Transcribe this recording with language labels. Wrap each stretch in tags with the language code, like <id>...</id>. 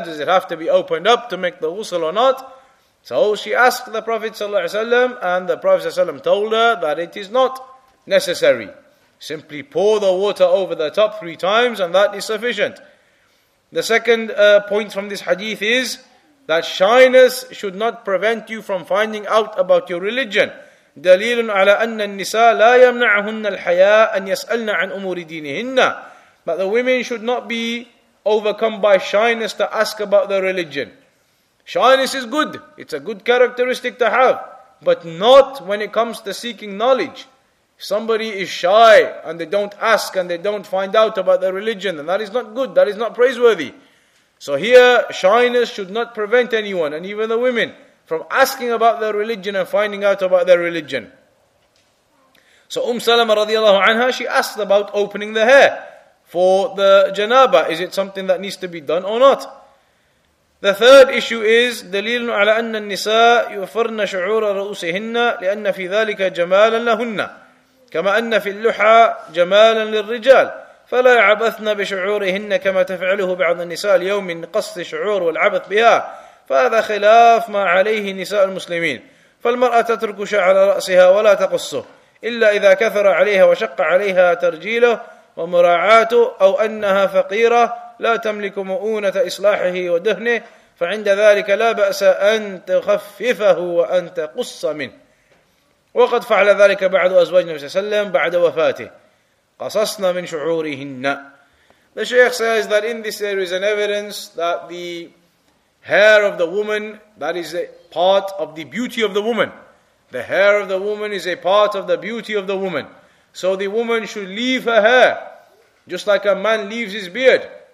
<en>Does it have to be opened up to make the ghusl or not? So she asked the Prophet sallallahu alaihi wasallam, and the Prophet sallallahu alaihi wasallam told her that it is not necessary. Simply pour the water over the top three times and that is sufficient. The second point from this hadith is that shyness should not prevent you from finding out about your religion.</en> <ar>دليل على أن النساء لا يمنعهن الحياء أن يسألن عن أمور دينهن.</ar> <en>But the women should not be overcome by shyness to ask about their religion. Shyness is good. It's a good characteristic to have. But not when it comes to seeking knowledge. Somebody is shy and they don't ask and they don't find out about their religion, and that is not good, that is not praiseworthy. So here, shyness should not prevent anyone, and even the women, from asking about their religion and finding out about their religion. So Salama radiallahu anha, she asked about opening the hair for the janaba. Is it something that needs to be done or not? The third issue is</en> <ar>دليل على أن النساء يوفرن شعور رؤوسهن لأن في ذلك جمالا لهن. كما أن في اللحى جمالا للرجال فلا يعبثن بشعورهن كما تفعله بعض النساء اليوم من قص شعور والعبث بها فهذا خلاف ما عليه نساء المسلمين فالمرأة تترك شعر رأسها ولا تقصه إلا إذا كثر عليها وشق عليها ترجيله ومراعاته أو أنها فقيرة لا تملك مؤونة إصلاحه ودهنه فعند ذلك لا بأس أن تخففه وأن تقص منه. وقد فعل ذلك بعض أزواج النبي صلى الله عليه وسلم بعد وفاته قصصنا من شعورهن.</ar> <en>The Shaykh says that in this there is an evidence that the hair of the woman, that is a part of the beauty of the woman. The hair of the woman is a part of the beauty of the woman. So the woman should leave her hair, just like a man leaves his beard.</en>